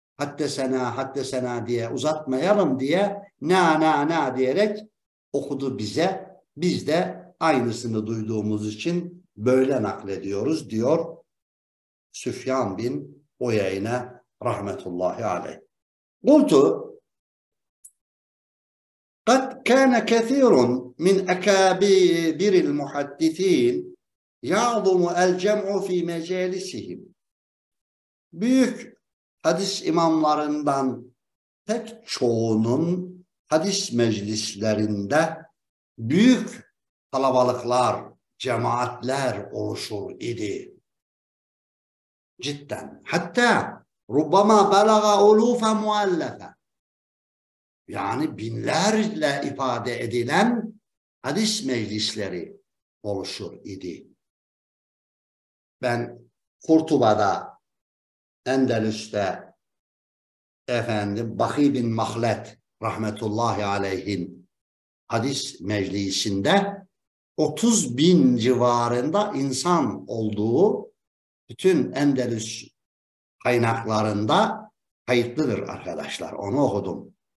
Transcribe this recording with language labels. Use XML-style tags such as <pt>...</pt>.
<tr>Haddesena, haddesena diye uzatmayalım diye na na na diyerek okudu bize. Biz de aynısını duyduğumuz için böyle naklediyoruz diyor Süfyan bin Uyeyne. Rahmetullahi aleyh.</tr> <ar>Kultu قَدْ كَانَ كَثِيرٌ مِنْ أَكَابِيرِ الْمُحَدِّثِينَ يَعْظُمُ الْجَمْعُ فِي مَجَالِسِهِمْ.</ar> <tr>Büyük hadis imamlarından pek çoğunun hadis meclislerinde büyük kalabalıklar, cemaatler oluşur idi. Cidden.</tr> <ar>Hatta رُبَّمَا بَلَغَ أُلُوفَ مُؤَلَّفَ.</ar> <tr>Yani binlerle ifade edilen hadis meclisleri oluşur idi. Ben Kurtuba'da, Endelüs'te, efendim Bakî bin Mahlet rahmetullahi aleyhin hadis meclisinde 30 bin civarında insan olduğu bütün Endelüs kaynaklarında kayıtlıdır arkadaşlar. Onu okudum.</tr>